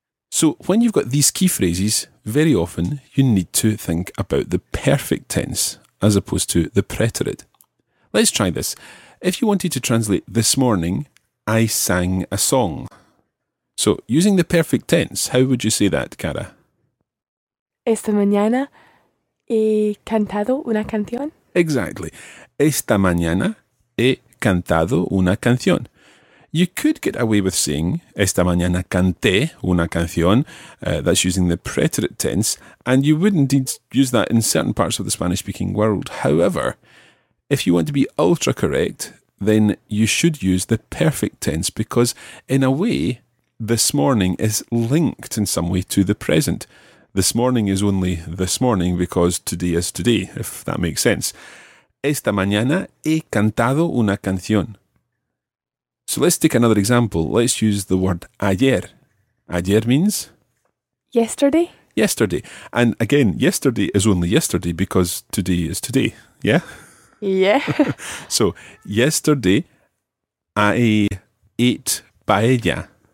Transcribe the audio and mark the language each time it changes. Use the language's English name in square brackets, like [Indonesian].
[English] So when you've got these key phrases, very often you need to think about the perfect tense as opposed to the preterite. Let's try this. If you wanted to translate this morning, I sang a song. So using the perfect tense, how would you say that, Cara? [Spanish] Esta mañana he cantado una canción. [English] Exactly. [Spanish] Esta mañana he cantado una canción. [English] You could get away with saying [Spanish] esta mañana canté una canción. [English] That's using the preterite tense. And you would indeed use that in certain parts of the Spanish-speaking world. However, if you want to be ultra correct, then you should use the perfect tense because, in a way, this morning is linked in some way to the present. This morning is only this morning because today is today, if that makes sense. [Spanish] Esta mañana he cantado una canción. [English] So let's take another example. Let's use the word ayer. Ayer means? Yesterday. Yesterday. And again, yesterday is only yesterday because today is today. Yeah? Yeah. So, yesterday I ate paella.